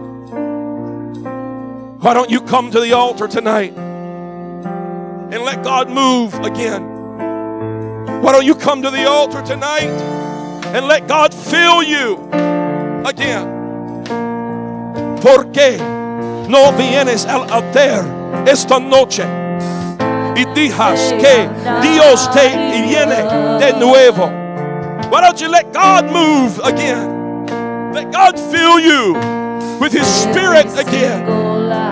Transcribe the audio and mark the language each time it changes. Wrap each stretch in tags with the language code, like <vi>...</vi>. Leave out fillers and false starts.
<en>Why don't you come to the altar tonight and let God move again? Why don't you come to the altar tonight and let God fill you again?</en> <es>Porque no vienes al altar esta noche y dijas que Dios te viene de nuevo.</es> <en>Why don't you let God move again? Let God fill you with His Spirit again.</en>